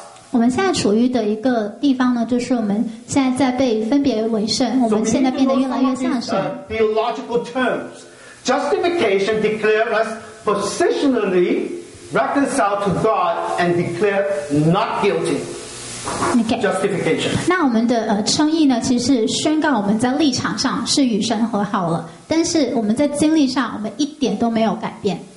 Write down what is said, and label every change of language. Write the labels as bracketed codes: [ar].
[zh] 我们现在处于的一个地方呢，就是我们现在在被分别为圣，我们现在变得越来越像神。 [en] Theological terms, justification declares us positionally reconciled to God and declared not guilty. Okay. Justification. [zh] 那我们的称义呢，其实是宣告我们在立场上是与神和好了，但是我们在经历上，我们一点都没有改变。